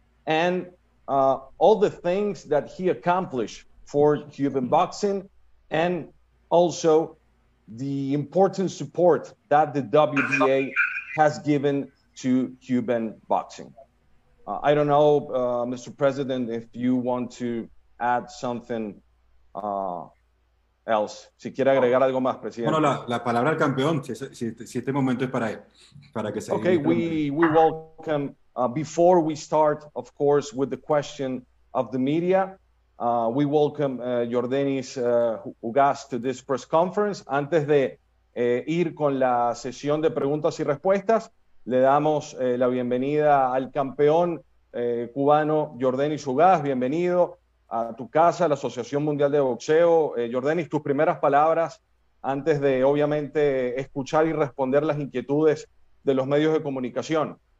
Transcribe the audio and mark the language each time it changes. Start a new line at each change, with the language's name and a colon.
English: and all the things that he accomplished for Cuban boxing, and also the important support that the WBA has given to Cuban boxing. I don't know, Mr. President, if you want to add something else.
Spanish: Si quiere agregar algo más, presidente. Bueno, la palabra al campeón, si este momento es para él, para que se...
English: Okay, we welcome, before we start, of course, with the question of the media, we welcome Yordenis Ugas to this press conference.
Spanish: Antes de ir con la sesión de preguntas y respuestas, le damos la bienvenida al campeón cubano Yordenis Ugas. Bienvenido a tu casa, a la Asociación Mundial de Boxeo. Yordenis, tus primeras palabras antes de, obviamente, escuchar y responder las inquietudes de los medios de comunicación.